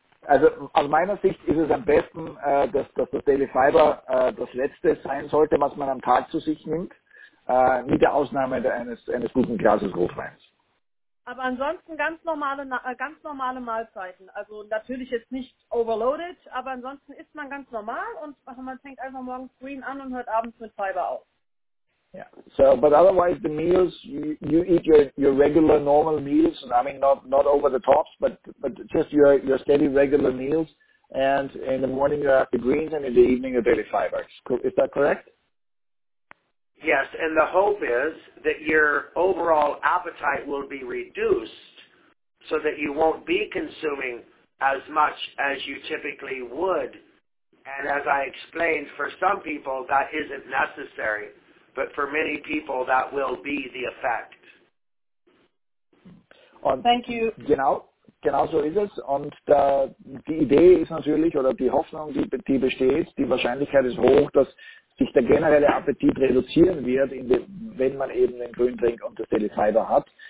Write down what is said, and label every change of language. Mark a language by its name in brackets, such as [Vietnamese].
[German] Also aus meiner Sicht ist es am besten, dass das Daily Fiber das Letzte sein sollte, was man am Tag zu sich nimmt, mit der Ausnahme eines guten Glases Rotweins. Aber ansonsten ganz normale Mahlzeiten. Also natürlich jetzt nicht overloaded, aber ansonsten isst man ganz normal und man fängt einfach morgens Green an und hört abends mit Fiber auf. [English] Yeah. So, but otherwise the meals, you eat your regular normal meals, and I mean not over the tops, but just your steady regular meals, and in the morning you have the greens and in the evening the daily fibers. Is that correct? Yes, and the hope is that your overall appetite will be reduced so that you won't be consuming as much as you typically would. And as I explained, for some people that isn't necessary. But for many people, that will be the effect. [German] Und [English] thank you. [German] Genau so ist es. Und die Idee ist natürlich, oder die Hoffnung, die besteht, die Wahrscheinlichkeit ist hoch, dass sich der generelle Appetit reduzieren wird, wenn man eben den Grüntrink und das Daily Fiber hat.